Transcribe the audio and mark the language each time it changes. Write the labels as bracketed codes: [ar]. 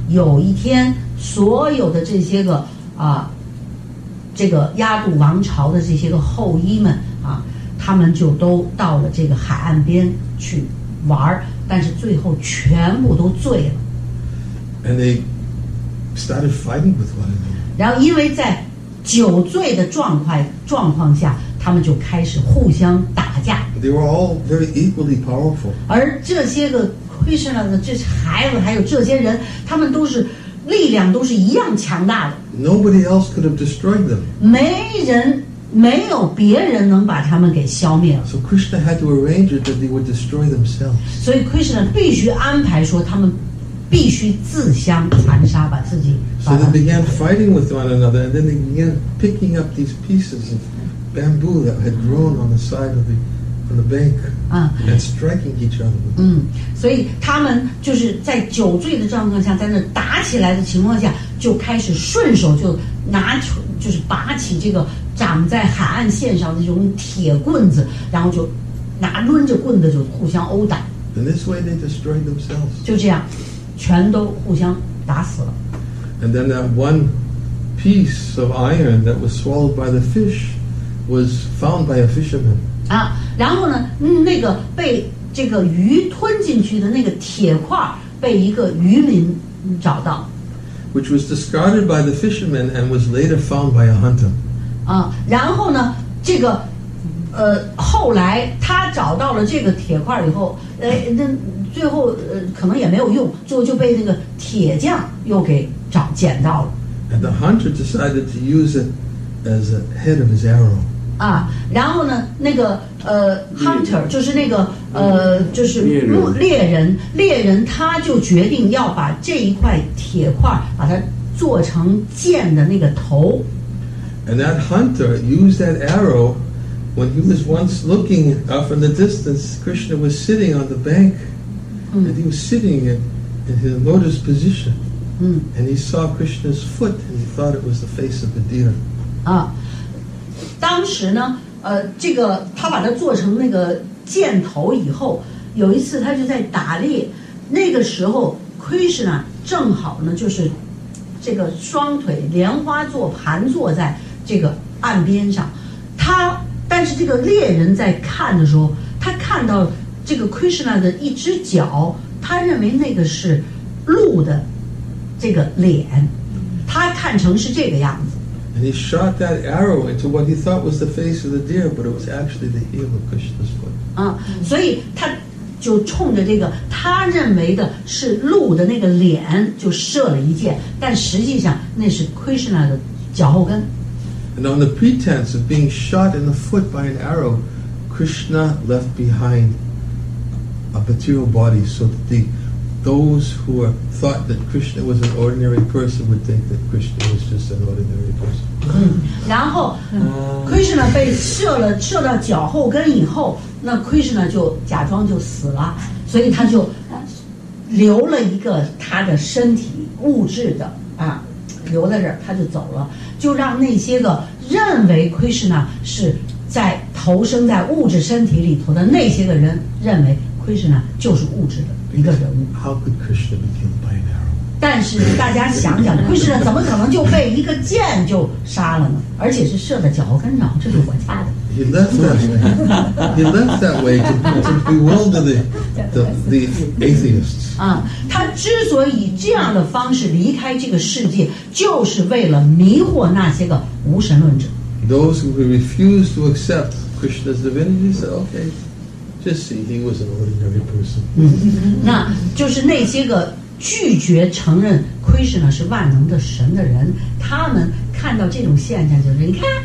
[zh] 有一天，所有的这些个啊。这个亚杜王朝的这些个后裔们啊，他们就都到了这个海岸边去玩，但是最后全部都醉了。 [en] And they started fighting with one another. [zh] 然后因为在酒醉的状况下，他们就开始互相打架。 [en] They were all very equally powerful. [zh] 而这些个 Krishna 的这些孩子还有这些人，他们都是。力量都是一样强大的。 [en] Nobody else could have destroyed them. [zh] 没有别人能把他们给消灭了。 [en] So Krishna had to arrange it that they would destroy themselves. [zh] 所以 Krishna 必须安排说他们必须自相残杀，把自己。 [en] So they began fighting with one another, and then they began picking up these pieces of bamboo that had grown on the side of the. From the bank and striking each other. [zh] 嗯，所以他们就是在酒醉的状况下，在那打起来的情况下，就开始顺手就拿出，就是拔起这个长在海岸线上的这种铁棍子，然后就拿抡着棍子就互相殴打。 [en] And this way they destroyed themselves. [zh] 就这样，全都互相打死了。 [en] And then that one piece of iron that was swallowed by the fish was found by a fisherman. [zh] 啊，然后呢，那个被这个鱼吞进去的那个铁块被一个渔民找到。 [en] Which was discarded by the fisherman and was later found by a hunter. [zh] 啊，然后呢，这个后来他找到了这个铁块以后，那最后可能也没有用，最后就被那个铁匠又给找捡到了。 [en] And the hunter decided to use it as a head of his arrow. [zh] 啊，然后呢，那个hunter 就是那个就是猎人，他就决定要把这一块铁块把它做成箭的那个头。 [en] And that hunter used that arrow. When he was once looking up from the distance, Krishna was sitting on the bank, and he was sitting in his lotus position, and he saw Krishna's foot, and he thought it was the face of a deer. [zh] 啊，当时呢，这个他把它做成那个箭头以后，有一次他就在打猎，那个时候 Krishna 正好呢就是这个双腿莲花座盘坐在这个岸边上，他。但是这个猎人在看的时候，他看到这个 Krishna 的一只脚，他认为那个是鹿的这个脸，他看成是这个样子。 [en] And he shot that arrow into what he thought was the face of the deer, but it was actually the heel of Krishna's foot. [zh] 啊，所以他就冲着这个他认为的是鹿的那个脸就射了一箭，但实际上那是 Krishna 的脚后跟。 [en] And on the pretense of being shot in the foot by an arrow, Krishna left behind a material body so that those who thought that Krishna was an ordinary person would think that Krishna was just an ordinary person. [zh] 然后 Krishna 被射到脚后跟以后，那 Krishna 就假装就死了，所以他就留了一个他的身体物质的啊。留在这儿，他就走了，就让那些个认为 Krishna 是在投生在物质身体里头的那些个人，认为 Krishna 就是物质的一个人物。 [en] How could Krishna be killed by an arrow? [zh] 但是大家想想，Krishna 怎么可能就被一个箭就杀了呢？而且是射在脚后跟上，这是我家的。 [en] He left that way to bewilder the atheists. [zh] 啊，他之所以这样的方式离开这个世界，就是为了迷惑那些个无神论者。 [en] Those who refuse to accept Krishna's divinity said, "Okay, just see, he was an ordinary person." [zh] 那就是那些个拒绝承认 Krishna 是万能的神的人，他们看到这种现象，就是你看。